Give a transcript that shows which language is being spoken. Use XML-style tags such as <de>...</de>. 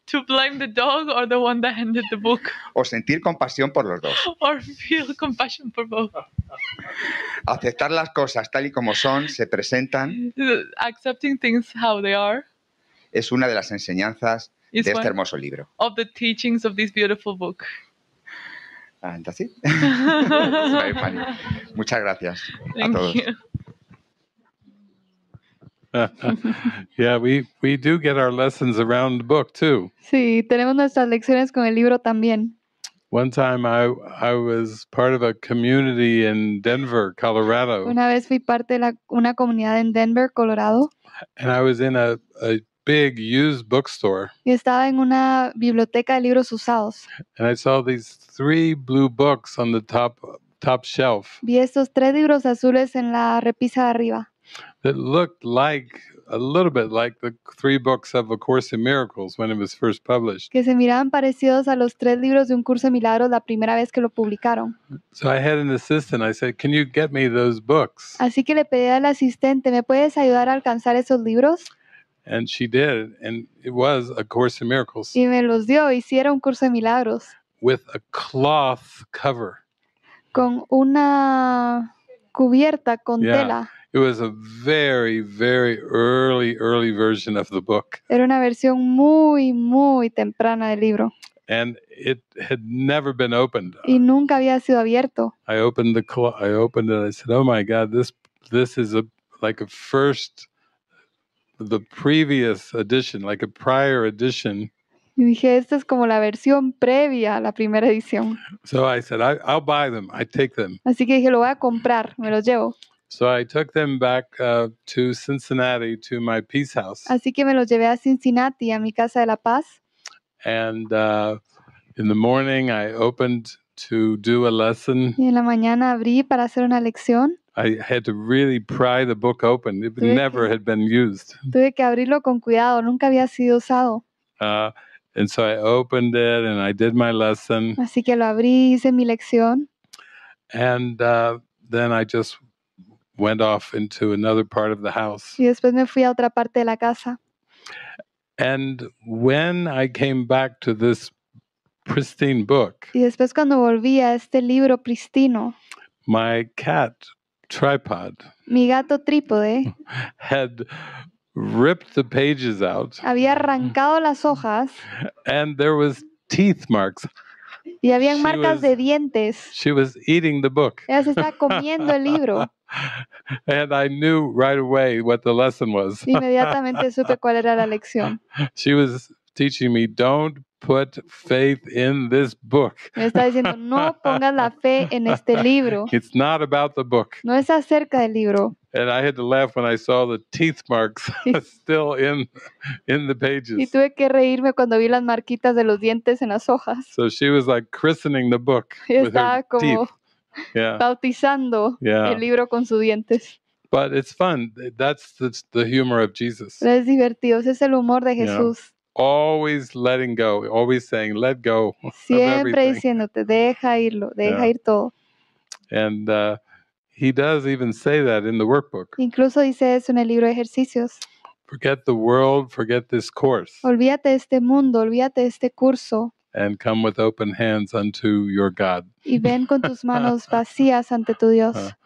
<en>To blame the dog or the one that handed the book.</en> <es>O sentir compasión por los dos.</es> <en>Or feel compassion for both.</en> <es>Aceptar las cosas tal y como son, se presentan.</es> <en>Accepting things how they are.</en> <es>Es una de las enseñanzas de este hermoso libro.</es> <en>Of the teachings of this beautiful book. And that's it. Very funny.</en> <es>Muchas gracias a todos.</es> <en>Thank you. Yeah, we do get our lessons around the book too.</en> <es>Sí, tenemos nuestras lecciones con el libro también.</es> <en>One time I was part of a community in Denver, Colorado.</en> <es>Una vez fui parte de una comunidad en Denver, Colorado.</es> <en>And I was in a big used bookstore.</en> <es>Y estaba en una biblioteca de libros usados.</es> <en>And I saw these 3 blue books on the top shelf.</en> <es>Vi estos 3 libros azules en la repisa de arriba.</es> <en>That looked like a little bit like the 3 books of A Course in Miracles when it was first published.</en> <es>Que se miraban parecidos a los 3 libros de Un Curso de Milagros la primera vez que lo publicaron.</es> <en>So I had an assistant. I said, "Can you get me those books?"</en> <es>Así que le pedí al asistente, "¿Me puedes ayudar a alcanzar esos libros?"</es> <en>And she did, and it was A Course in Miracles.</en> <es>Y me los dio, y sí era Un Curso de Milagros.</es> <en>With a cloth cover.</en> <es>Con una cubierta con tela.</es> <en>It was a very, very early version of the book.</en> <es>Era una versión muy, muy temprana del libro.</es> <en>And it had never been opened.</en> <es>Y nunca había sido abierto.</es> <en>I opened it. I said, "Oh my God, this is a prior edition."</en> <es>Y dije, "Esta es como la versión previa a la primera edición."</es> <en>So I said, "I'll buy them. I take them."</en> <es>Así que dije, "Lo voy a comprar. Me los llevo."</es> <en>So I took them back to Cincinnati to my peace house.</en> <es>Así que me los llevé a Cincinnati, a mi casa de la paz.</es> <en>And in the morning I opened to do a lesson.</en> <es>Y en la mañana abrí para hacer una lección.</es> <en>I had to really pry the book open. It never had been used.</en> <es>Tuve que abrirlo con cuidado. Nunca había sido usado.</es> <en>And so I opened it and I did my lesson.</en> <es>Así que lo abrí, hice mi lección.</es> <en>And then I just went off into another part of the house.</en> <es>Y después me fui a otra parte de la casa.</es> <en>And when I came back to this pristine book,</en> <es>y después cuando volví a este libro pristino,</es> <en>my cat tripod,</en> <es>mi gato trípode,</es> <en>had ripped the pages out.</en> <es>Había arrancado las hojas.</es> <en>And there was teeth marks.</en> <es>Y habían marcas de dientes.</es> <en>She was eating the book.</en> <es>Ella se estaba comiendo el libro.</es> <en>And I knew right away what the lesson was.</en> <es>Inmediatamente supe cuál era la lección.</es> <en>She was teaching me, "Don't put faith in this book."</en> <es>Me está diciendo, no pongas la fe en este libro.</es> <en>It's not about the book.</en> <es>No es acerca del libro.</es> <en>And I had to laugh when I saw the teeth marks still in the pages.</en> <es>Y tuve que reírme cuando vi las marquitas de los dientes en las hojas.</es> <en>So she was like christening the book with her teeth.</en> <es>Bautizando el libro con sus dientes.</es> <en>But it's fun. That's the humor of Jesus.</en> <es>Pero es divertido. Ese es el humor de Jesús.</es> <en>Yeah. Always letting go. Always saying, let go.</en> <es>Siempre diciéndote, deja irlo. Deja ir todo.</es> <en>And he does even say that in the workbook.</en> <es>Incluso dice eso en el libro de ejercicios.</es> <en>Forget the world, forget this course.</en> <es>Olvídate este mundo, olvídate este curso.</es> <en>And come with open hands unto your God.</en> <es>Y ven con tus manos vacías ante tu Dios.</es>